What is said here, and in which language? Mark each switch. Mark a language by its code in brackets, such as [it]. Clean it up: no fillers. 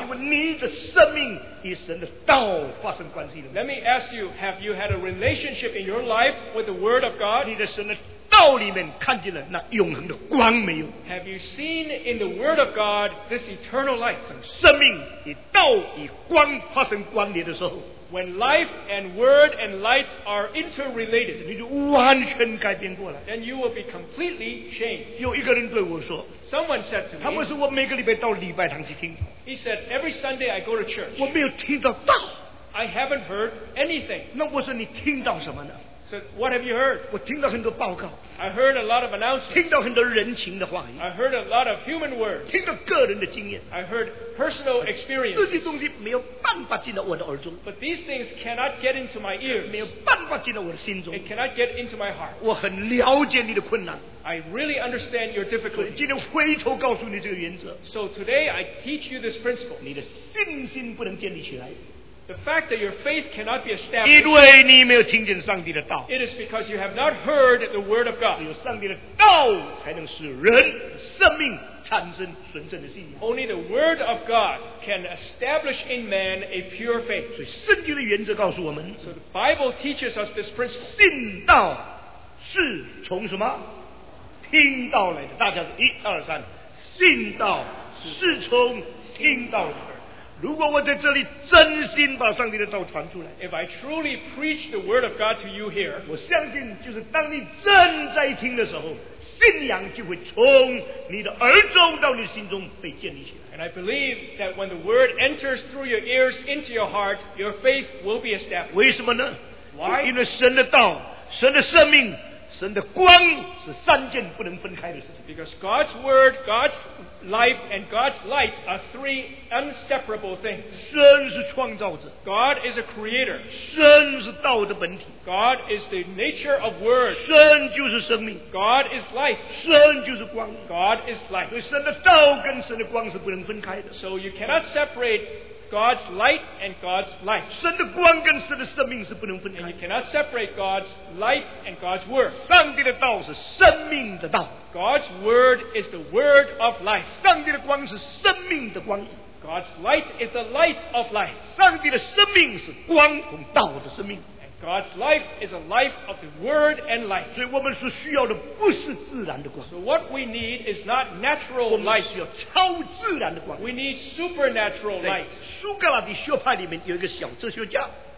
[zh] 请问你的生命与神的道发生关系了吗 [en] ？Let me ask you, have you had a relationship in your life with the Word of God? [zh] 你的神的道里面看见了那永恒的光没有 [en] ？Have you seen in the Word of God this eternal light? [zh] 当生命与道与光发生关联的时候 [en] ，When life and Word and light are interrelated, [zh] 你就完全改变过来 [en] ，Then you will be completely changed. [zh] 有一个人对我说 [en] ，Someone said to me， [zh] 他们说我每个礼拜到礼拜堂去听 [en] ，He said every Sunday I go to church， [zh] 我没有听到道 [en] ，I haven't heard anything。 [zh] 那我说你听到什么呢？ [en] So what have you heard? [zh] 我听到很多报告。 [en] I heard a lot of announcements. [zh] 听到很多人情的话语。 [en] I heard a lot of human words. [zh] 听到个人的经验。 [en] I heard personal experiences. [zh] 这些东西没有办法进到我的耳中。 [en] But these things cannot get into my ears. [zh] 没有办法进到我的心中。 [en] It cannot get into my heart. [zh] 我很了解你的困难。 [en] I really understand your difficulty. [zh] 今天回头告诉你这个原则。 [en] So today I teach you this principle. [zh] 你的信心不能建立起来。 [en] The fact that your faith cannot be established, [zh] 因为你没有听见上帝的道。 [en] It is because you have not heard the word of God. [zh] 只有上帝的道才能使人生命产生纯正的信仰。 [en] Only the word of God can establish in man a pure faith. [zh] 所以圣经的原则告诉我们。 [en] So the Bible teaches us this principle. [zh] 信道是从什么？听道来的。大家一二三，信道是从听道来的。如果我在这里真心把上帝的道传出来 [en] If I truly preach the word of God to you here [zh] 我相信就是当你正在听的时候信仰就会从你的耳中到你心中被建立起来 [en] And I believe that when the word enters through your ears into your heart your faith will be established [zh] 为什么呢 [en] Why? [zh] 因为神的道、神的生命、神的光是三件不能分开的事情。 [en] Because God's word, God's life, and God's light are three inseparable things. [zh] 神是创造者。 [en] God is a creator. [zh] 神是道的本体。 [en] God is the nature of word. [zh] 神就是生命。 [en] God is life. [zh] 神就是光。 [en] God is light. [zh] 所以神的道跟神的光是不能分开的。 [en] So you cannot separate. God's light and God's life. [zh] 神的光跟神的生命是不能分开。 [en] And you cannot separate God's life and God's word. [zh] 上帝的道是生命的道。 [en] God's word is the word of life. [zh] 上帝的光是生命的光。 [en] God's light is the light of life. [zh] 上帝的生命是光同道的生命。 [en] God's life is a life of the word and life. [zh] 所以我们所需要的不是自然的光。 [en] So what we need is not natural light. [zh] 我们需要超自然的光。 [en] We need supernatural light. [zh] 在苏格拉底学派里面有一个小哲学家。